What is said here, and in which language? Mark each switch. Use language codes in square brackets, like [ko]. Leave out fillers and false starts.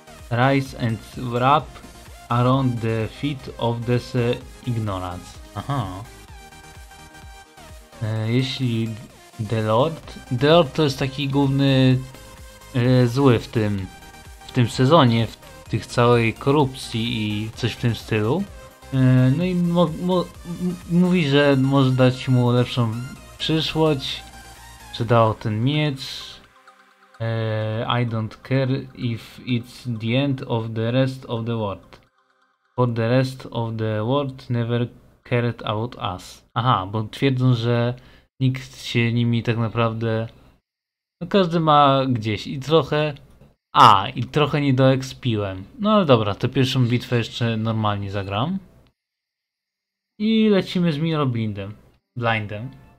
[en] Rise and wrap around the feet of this ignorance. Aha. [pl] Jeśli The Lord to jest taki główny zły w tym sezonie, w tej całej korupcji i coś w tym stylu. No i mówi, że może dać mu lepszą przyszłość. Przydał ten miecz. [en] I don't care if it's the end of the rest of the world. For the rest of the world never cared about us. [pl] Aha, bo twierdzą, że nikt się nimi tak naprawdę. No każdy ma gdzieś i trochę. A, i trochę nie doekspiłem. No ale dobra, tę pierwszą bitwę jeszcze normalnie zagram. I lecimy z Mirrorblindem. Blindem.